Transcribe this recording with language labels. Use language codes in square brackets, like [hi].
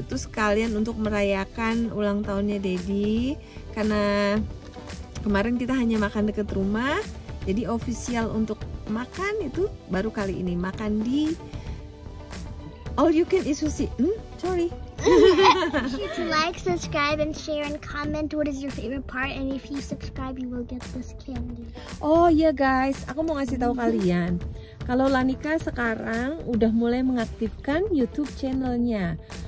[id] Itu sekalian untuk merayakan ulang tahunnya Daddy. Karena kemarin kita hanya makan dekat rumah. Jadi official untuk makan itu baru kali ini. Makan di all you can eat sushi. [en] Sorry. Hit like, subscribe, and share, and comment what is your favorite part. And if you subscribe, you will get this candy. [id] Oh ya yeah, guys, aku mau ngasih tahu kalian. Kalau Lanika sekarang udah mulai mengaktifkan YouTube channelnya.